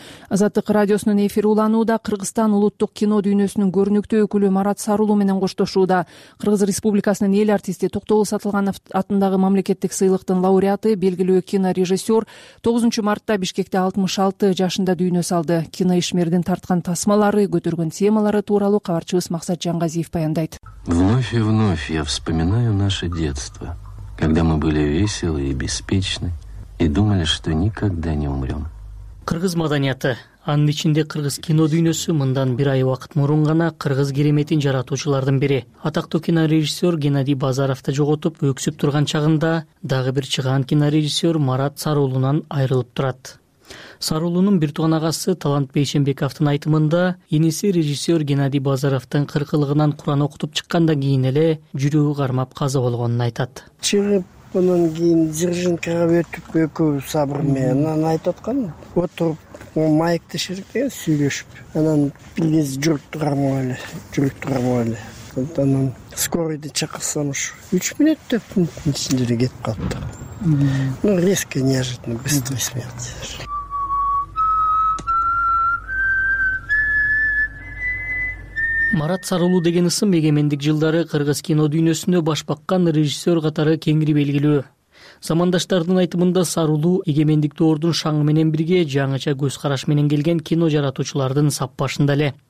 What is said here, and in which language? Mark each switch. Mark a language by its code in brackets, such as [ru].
[ky] Азаттык радиосунун эфири уланууда. Кыргызстан улуттук кино дүйнөсүнүн көрүнүктүү өкүлү Марат Сарулу менен коштошууда. Кыргыз Республикасынын эл артисти Токтогул Сатылганов атындагы мамлекеттик сыйлыктын лауреаты, белгилүү кинорежиссер 9 мартта Бишкекте 66 жашында дүйнө салды. Кино ишмердин тарткан тасмалары, көтөргөн темалары тууралуу кабарчыбыз Максат Жангазиев баяндайт. [ru] Вновь и вновь я вспоминаю наше детство, когда мы были веселы и беспечны и думали, что никогда не умрем. [ky] Кыргыз маданияты, анын ичинде кыргыз кино дүйнөсү мындан бир ай убакыт мурун гана кыргыз кереметин жаратуучулардын бири, атактуу кинорежиссер Геннадий Базаровду жоготуп өксүп турган чагында дагы бир чыгаан кинорежиссер Марат Сарулунан айрылып турат. Сарулунун бир тууган агасы Талант Бейшенбековдун айтымында, иниси режиссер Геннадий Базаровдун кыркылыгынан куран окутуп чыккандан кийин эле жүрөгү кармап каза болгонун айтат. Чыгып анан кийин дзержинкага өтүп экөөбүз сабыр менен анан айтып аткан отуруп майкты ширпе сүйлөшүп анан биз жүрүп турганбыз эле анан скорыйды чакырсам ушу 3 минут деп ичинде эле кетип калыптыр. [ru] Ну резко неожиданно быстрый смерть. [ky] Марат Сарылуу деген ысым эгемендик жылдары кыргыз кино дүйнөсүндө баш баккан режиссер катары кеңири белгилүү. Замандаштардын айтымында Сарылуу эгемендик доордун шаңы менен бирге жаңыча көз караш менен келген кино жаратуучулардын сап башында эле.